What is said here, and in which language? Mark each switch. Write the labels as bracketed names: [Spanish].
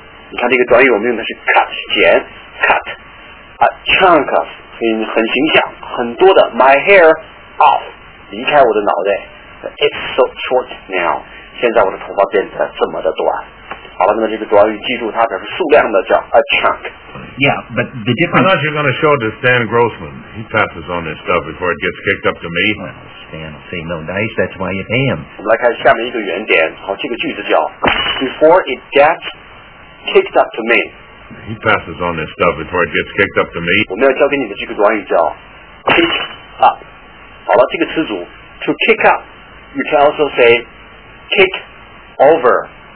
[Chinese] 这句话的意思是那个理发师把我的头发去的太多了。你看这个短语我们用的是 cut, 剪, cut. A chunk of, 很形象, 很多的, [English] my hair off, [Chinese] 离开我的脑袋. [English] It's so short now. [Chinese] 现在我的头发变得这么的短。好了,那么这个短语记住它表示数量的叫 a chunk. [English] Yeah, but the difference... I thought you were going to show it to Stan Grossman. He passes on this stuff before it gets kicked up to me. Well, Stan will say no dice, that's why you pay him. [Chinese] 我们来看下面一个原点, 好,这个句子叫 [English] before it gets kicked up to me. He passes on this stuff before it gets kicked up to me. [Chinese] 我们要教给你的这个短语叫 kick up. 好了,这个词组, [English] to kick up, you can also say kick over.